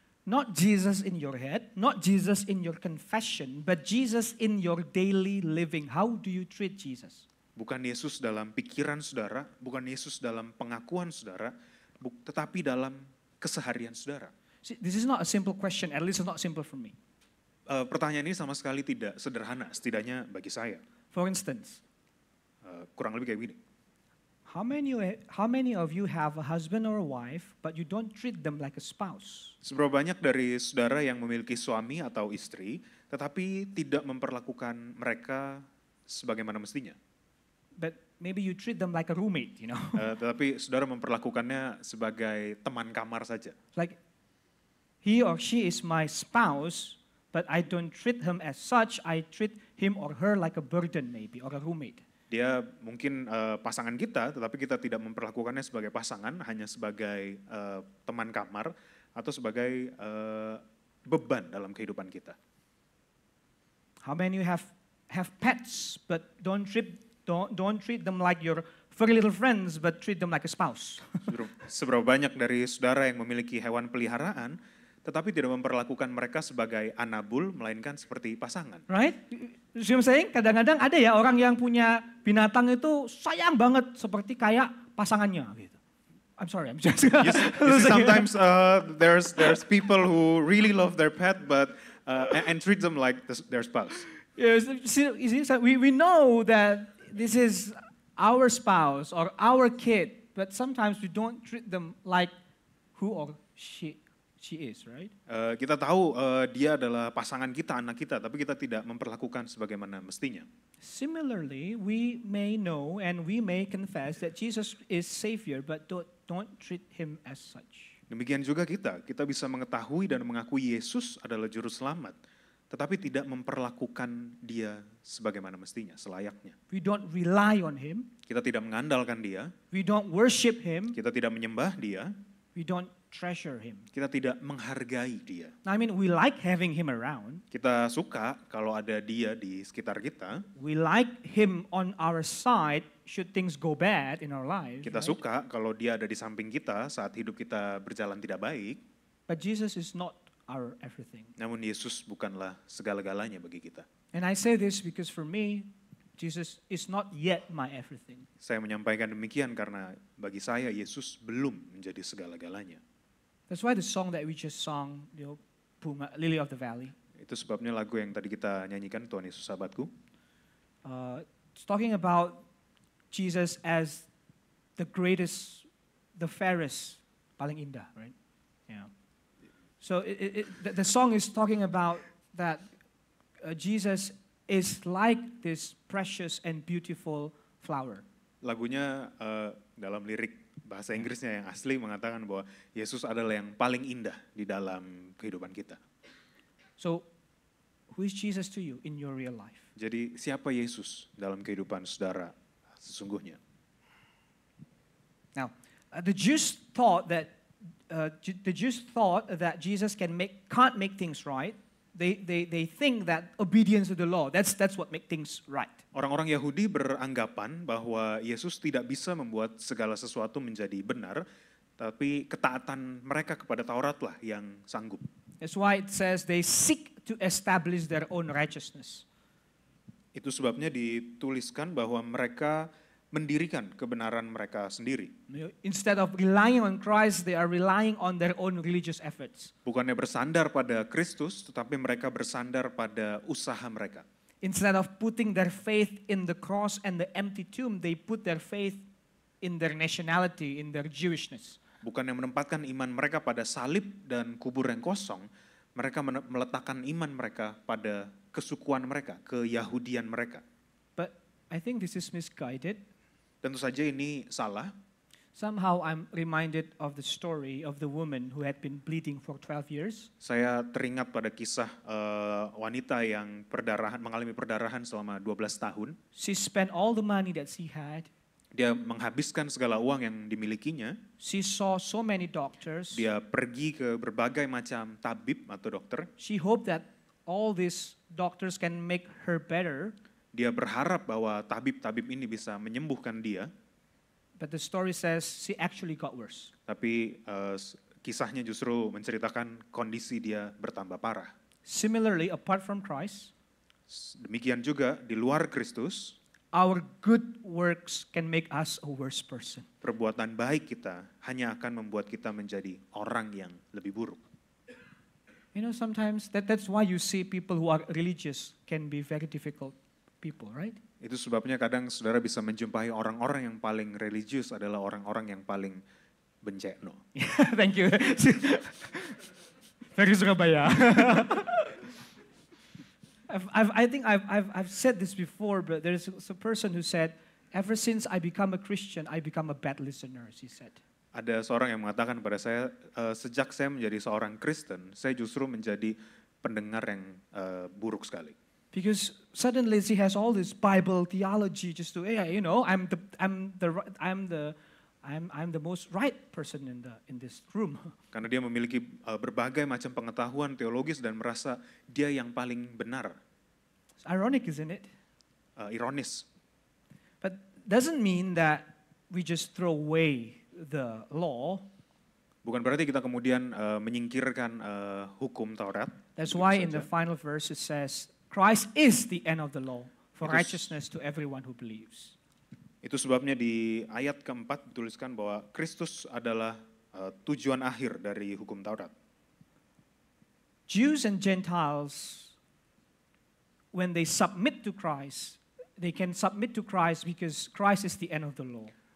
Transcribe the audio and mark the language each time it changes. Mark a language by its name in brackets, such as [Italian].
[English] Not Jesus in your head, not Jesus in your confession, but Jesus in your daily living. How do you treat Jesus? [Indonesian] Bukan Yesus dalam pikiran saudara, bukan Yesus dalam pengakuan saudara, tetapi dalam keseharian saudara. [English] See, this is not a simple question, at least it's not simple for me. [Indonesian] Pertanyaan ini sama sekali tidak sederhana, setidaknya bagi saya. [English] For instance, [Indonesian] kurang lebih kayak begini. [English] How many of you have a husband or a wife, but you don't treat them like a spouse? [Indonesian] Seberapa banyak dari saudara yang memiliki suami atau istri, tetapi tidak memperlakukan mereka sebagaimana mestinya? [English] But maybe you treat them like a roommate, you know? [Indonesian] Tetapi saudara memperlakukannya sebagai teman kamar saja. [English] Like, he or she is my spouse, but I don't treat him as such, I treat him or her like a burden maybe, or a roommate. [Indonesian] dia mungkin pasangan kita, tetapi kita tidak memperlakukannya sebagai pasangan, hanya sebagai teman kamar atau sebagai beban dalam kehidupan kita. [English] How many you have pets but don't treat them like your very little friends, but treat them like a spouse. [Indonesian] Seberapa banyak dari saudara yang memiliki hewan peliharaan, tetapi tidak memperlakukan mereka sebagai anabul, melainkan seperti pasangan. [English] Right? See what I'm saying? [Indonesian] Kadang-kadang ada ya orang yang punya binatang itu sayang banget, seperti kayak pasangannya. Gitu. [English] I'm sorry, I'm just... You see, sometimes there's people who really love their pet, but and treat them like their spouse. Yes, see, we know that this is our spouse or our kid, but sometimes we don't treat them like who or she is, right? [Indonesian] Kita tahu dia adalah pasangan kita, anak kita, tapi kita tidak memperlakukan sebagaimana mestinya. [English] Similarly, we may know and we may confess that Jesus is Savior, but don't treat him as such. [Indonesian] Demikian juga kita bisa mengetahui dan mengakui Yesus adalah Juru Selamat, tetapi tidak memperlakukan dia sebagaimana mestinya, selayaknya. [English] We don't rely on him. [Indonesian] Kita tidak mengandalkan dia. [English] We don't worship him. [Indonesian] Kita tidak menyembah dia. [English] We don't treasure him. [Indonesian] Kita tidak menghargai dia. [English] Now, I mean, we like having him around. [Indonesian] Kita suka kalau ada dia di sekitar kita. [English] We like him on our side should things go bad in our lives. [Indonesian] Kita [English] right? [Indonesian] suka kalau dia ada di samping kita saat hidup kita berjalan tidak baik. [English] But Jesus is not our everything. [Indonesian] Namun Yesus bukanlah segala-galanya bagi kita. [English] And I say this because for me, Jesus is not yet my everything. [Indonesian] Saya menyampaikan demikian karena bagi saya Yesus belum menjadi segala-galanya. [English] That's why the song that we just sung, you know, Bunga, Lily of the Valley. [Indonesian] Itu sebabnya lagu yang tadi kita nyanyikan, Tuhan Yesus Sahabatku. [English] It's talking about Jesus as the greatest, the fairest, [Indonesian] paling indah, [English] right? Yeah. So the song is talking about that Jesus is like this precious and beautiful flower. [Indonesian] Lagunya dalam lirik bahasa Inggrisnya yang asli mengatakan bahwa Yesus adalah yang paling indah di dalam kehidupan kita. [English] So who is Jesus to you in your real life? [Indonesian] Jadi siapa Yesus dalam kehidupan saudara sesungguhnya? [English] Now, the Jews thought that Jesus can't make things right. They think that obedience to the law, that's what make things right. [Indonesian] Orang-orang Yahudi beranggapan bahwa Yesus tidak bisa membuat segala sesuatu menjadi benar, tapi ketaatan mereka kepada Tauratlah yang sanggup. [English] That's why it says they seek to establish their own righteousness. [Indonesian] Itu sebabnya dituliskan bahwa mereka mendirikan kebenaran mereka sendiri. [English] Instead of relying on Christ, they are relying on their own religious efforts. [Indonesian] Bukannya bersandar pada Kristus, tetapi mereka bersandar pada usaha mereka. [English] Instead of putting their faith in the cross and the empty tomb, they put their faith in their nationality, in their Jewishness. [Indonesian] Bukannya menempatkan iman mereka pada salib dan kubur yang kosong, mereka meletakkan iman mereka pada kesukuan mereka, keyahudian mereka. [English] I think this is misguided. [Indonesian] Tentu saja ini salah. [English] Somehow I'm reminded of the story of the woman who had been bleeding for 12 years. [Indonesian] Saya teringat pada kisah wanita yang mengalami perdarahan selama 12 tahun. [English] She spent all the money that she had. [Indonesian] Dia menghabiskan segala uang yang dimilikinya. [English] She saw so many doctors. [Indonesian] Dia pergi ke berbagai macam tabib atau dokter. [English] She hoped that all these doctors can make her better. [Indonesian] Dia berharap bahwa tabib-tabib ini bisa menyembuhkan dia. [English] But the story says she actually got worse. [Indonesian] Tapi kisahnya justru menceritakan kondisi dia bertambah parah. [English] Similarly, apart from Christ, [Indonesian] demikian juga di luar Kristus, [English] our good works can make us a worse person. [Indonesian] Perbuatan baik kita hanya akan membuat kita menjadi orang yang lebih buruk. [English] You know, sometimes that's why you see people who are religious can be very difficult. People, right? [Indonesian] Itu sebabnya kadang saudara bisa menjumpai orang-orang yang paling religius adalah orang-orang yang paling benceno. [English] Thank you. Dari Surabaya. I think I've said this before, but there's a person who said, ever since I become a Christian, I become a bad listener, she said. [Indonesian] Ada seorang yang mengatakan pada saya, sejak saya menjadi seorang Kristen, saya justru menjadi pendengar yang buruk sekali. [English] Because suddenly she has all this Bible theology just to, yeah, you know, I'm the most right person in this room. [Indonesian] Karena dia memiliki berbagai macam pengetahuan teologis dan merasa dia yang paling benar. [English] It's ironic, isn't it? [Indonesian] Ironis. [English] But doesn't mean that we just throw away the law. [Indonesian] Bukan berarti kita kemudian menyingkirkan hukum Taurat. [English] That's why in the final verse it says Christ is the end of the law for righteousness to everyone who believes. [Indonesian] Itu sebabnya di ayat keempat dituliskan bahwa Kristus adalah tujuan akhir dari hukum Taurat. [English] Jews and Gentiles, when they submit to Christ, they can submit to Christ because Christ is the end of the law.